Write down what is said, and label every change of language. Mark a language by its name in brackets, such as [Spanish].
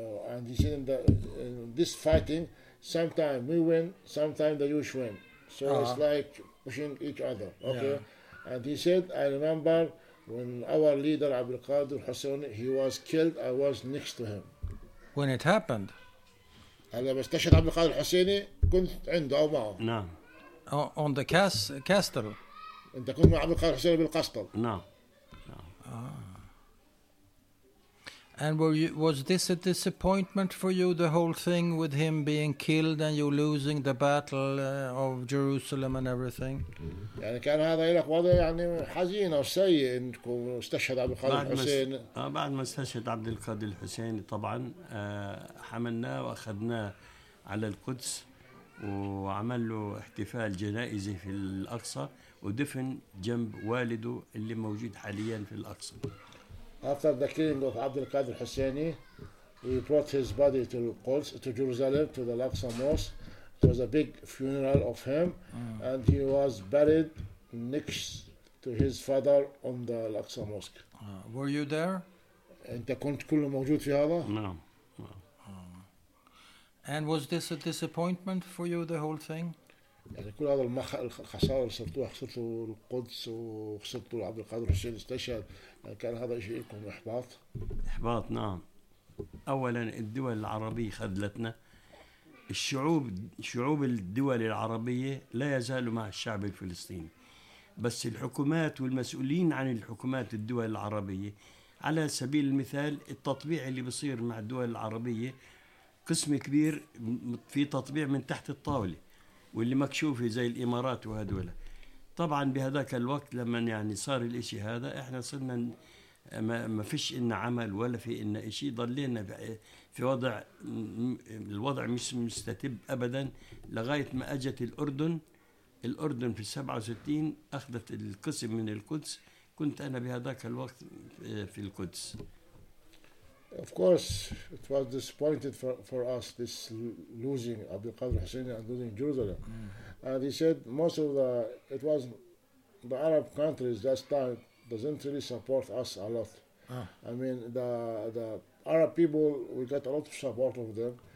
[English] And you see in this fighting, sometimes we win, sometimes the Jewish win. So it's like pushing each other. Okay. Yeah. And he said, I remember when our leader Abdul Qadir Hassan, he was killed. I was next to him. When it happened. [Arabic] على مستشهد عبد القادر الحسيني كنت عنده أو معه. نعم. [English] On the Kastel. [Arabic] أنت كنت مع عبد القادر الحسيني بالقسطل. نعم. [English] And was this a disappointment for you, the whole thing with him being killed and you losing the battle of Jerusalem and everything? [Arabic] يعني كان هذا لك وضع يعني حزين أو سيء إنكم استشهد عبد القادر الحسين. بعد ما استشهد عبد القادر الحسين طبعاً حملناه وأخذناه على القدس وعمل له احتفال جنائزي في الأقصى ودفن جنب والده اللي موجود حالياً في الأقصى. [English] After the killing of Abdul Qadir Husseini, we brought his body to Jerusalem, to the Al-Aqsa Mosque, was a big funeral of him, and he was buried next to his father on the Al-Aqsa Mosque. Were you there? [Arabic] أنت كنت كل موجود في هذا؟ نعم. [English] And was this a disappointment for you, the whole thing? [Arabic] يعني كل هذا المخ الخسارة صرتوه خسرت القدس وخسرت عبد القادر حسين استشهد كان هذا شيء لكم إحباط؟ إحباط نعم. أولاً الدول العربية خذلتنا. شعوب الدول العربية لا يزالوا مع الشعب الفلسطيني. بس الحكومات والمسؤولين عن الحكومات الدول العربية على سبيل المثال التطبيع اللي بصير مع الدول العربية قسم كبير في تطبيع من تحت الطاولة واللي مكشوفة زي الإمارات وهدول طبعا بهذاك الوقت لما يعني صار الإشي هذا احنا صرنا ما فيش إن عمل ولا في إن إشي ضلينا في وضع الوضع مش مستتب أبدا لغاية ما أجت الأردن في 67 أخذت القسم من القدس كنت أنا بهذاك الوقت في القدس. [English] Of course, it was disappointed for us this losing Abdul Qadir Hussein and losing Jerusalem. And he said most of it was the Arab countries that time doesn't really support us a lot. I mean the Arab people we got a lot of support of them.